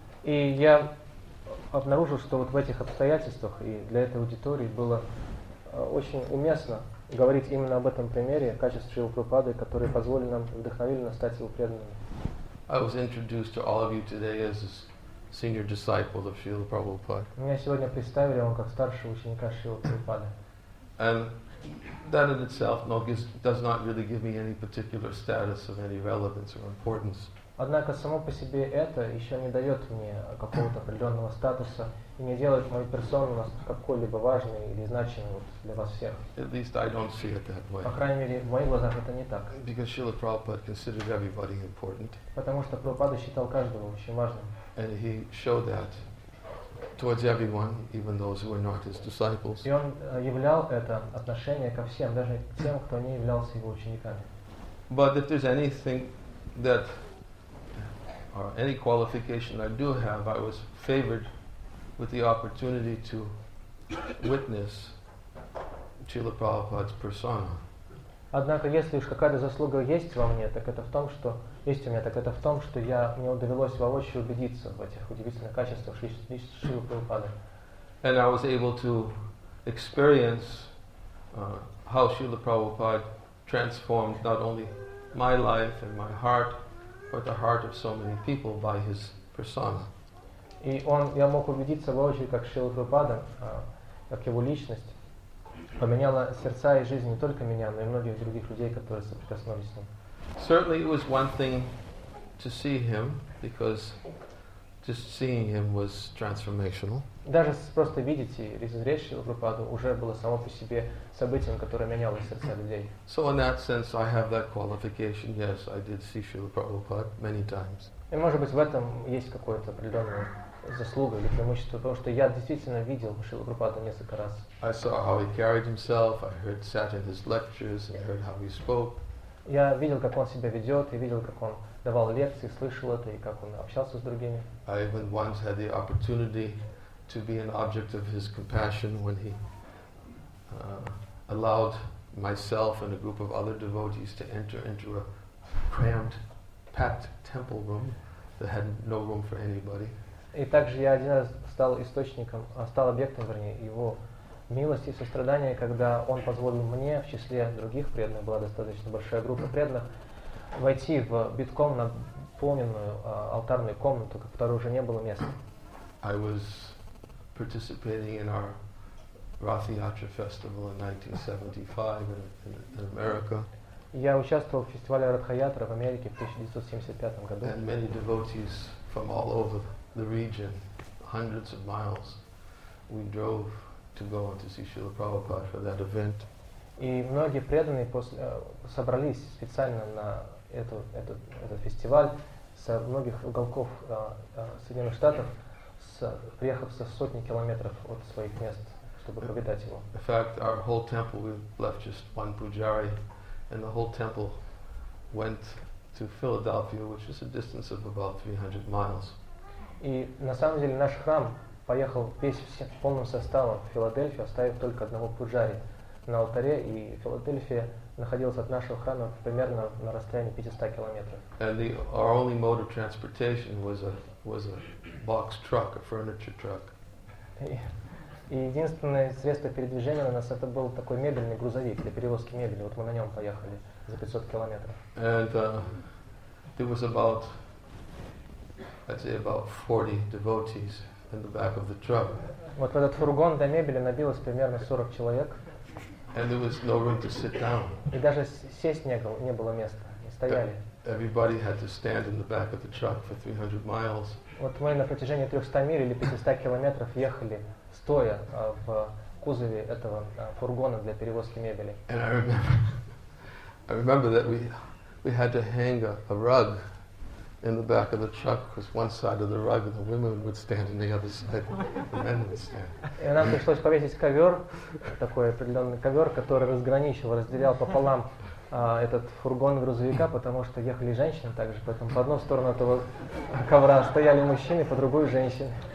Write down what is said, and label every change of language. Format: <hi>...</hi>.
<ru>И я обнаружил, что вот в этих обстоятельствах и для этой аудитории было очень уместно говорить именно об этом примере, качестве Шрилы Прабхупады, который позволил нам, вдохновили нас стать его преданными.</ru> <en>I was introduced to all of you today as a senior disciple of Srila Prabhupada.</en> <ru>Меня сегодня представили вам как старшего ученика Шрилы Прабхупады.</ru> <en>And that in itself does not really give me any particular status of any relevance or importance.</en> <ru>Однако само по себе это еще не дает мне какого-то определенного статуса и не делает мою персону какой-либо важной или значимой для вас всех.</ru> <en>At least I don't see it that way.</en> <ru>По крайней мере, в моих глазах это не так.</ru> <en>Because Srila Prabhupada considered everybody important.</en> <ru>Потому что Прабхупада считал каждого очень важным.</ru> <en>And he showed that towards everyone, even those who were not his disciples.</en> <ru>И он являл это отношение ко всем, даже тем, кто не являлся его учениками.</ru> <en>But if there's anything that or any qualification I do have, I was favored with the opportunity to witness Srila Prabhupada's persona.</en> <ru>Однако, если уж какая-то заслуга есть во мне, так это в том, что есть у меня, так это в том, что я мне удавилось воочию убедиться в этих удивительных качествах Шрилы Прабхупады.</ru> <en>And I was able to experience how Srila Prabhupada transformed not only my life and my heart, but the heart of so many people by his persona.</en> <ru>И он, я мог убедиться воочию, как Шрила Прабхупада, как его личность, поменяла сердца и жизнь не только меня, но и многих других людей, которые соприкоснулись с ним.</ru> <en>Certainly it was one thing to see him, because just seeing him was transformational.</en> <ru>Даже просто видеть и зреть Шрилу Прабхупаду уже было само по себе событием, которое меняло сердца людей.</ru> <en>So in that sense, I have that qualification. Yes, I did see Shrila Prabhupada many times.</en> <ru>И может быть в этом есть какое-то определенное заслуга или преимущество, потому что я действительно видел Шрилу Прабхупаду несколько раз.</ru> <en>I saw how he carried himself. I heard, sat in his lectures, and heard how he spoke.</en> <ru>Я видел, как он себя ведет, и видел, как он давал лекции, слышал это, и как он общался с другими.</ru> <en>I even once had the opportunity to be an object of his compassion when he allowed myself and a group of other devotees to enter into a cramped, packed temple room that had no room for anybody.</en> <ru>И также я один раз стал источником, стал объектом, вернее, его милости и сострадания, когда он позволил мне в числе других преданных, была достаточно большая группа преданных, войти в битком наполненную алтарную комнату, в которой уже не было места.</ru> <en>I was participating in our Rath Yatra festival in 1975 in America.</en> <ru>Я участвовал в фестивале Ратха-Ятра в Америке в 1975 году.</ru> <en>And many devotees from all over the region, hundreds of miles, we drove to go and to see Srila Prabhupada for that event.</en> <ru>И многие преданные собрались специально на этот фестиваль со многих уголков Соединенных Штатов, приехав со сотни километров от своих мест, чтобы повидать его.</ru> <en>In fact, our whole temple, we left just one pujari, and the whole temple went to Philadelphia, which is a distance of about 300 miles.</en> <ru>И на самом деле наш храм поехал весь в полном составе в Филадельфию, оставив только одного пуджари на алтаре, и Филадельфия находилась от нашего храма примерно на расстоянии 500 километров.</ru> <en>And our only mode of transportation was a box truck, a furniture truck.</en> <ru>И единственное средство передвижения у нас это был такой мебельный грузовик для перевозки мебели. Вот мы на нем поехали за 500 километров.</ru> <en>And there was about, I'd say about 40 devotees in the back of the truck.</en> <ru>Вот в этот фургон для мебели набилось примерно 40 человек.</ru> <en>And there was no room to sit down.</en> <ru>И даже сесть не было места, не стояли.</ru> <en>Everybody had to stand in the back of the truck for 300 miles.</en> <ru>Вот мы на протяжении 300 миль или 500 километров ехали стоя в кузове этого фургона для перевозки мебели.</ru> <en>And I remember that we had to hang a rug in the back of the truck, because one side of the rug and the women would stand and the other side the men would stand.</en> <ru>И нам пришлось повесить ковер, такой определенный ковер, который разделял пополам этот фургон грузовика, потому что ехали женщины также, поэтому по одну сторону этого ковра стояли мужчины, по другую женщины.</ru>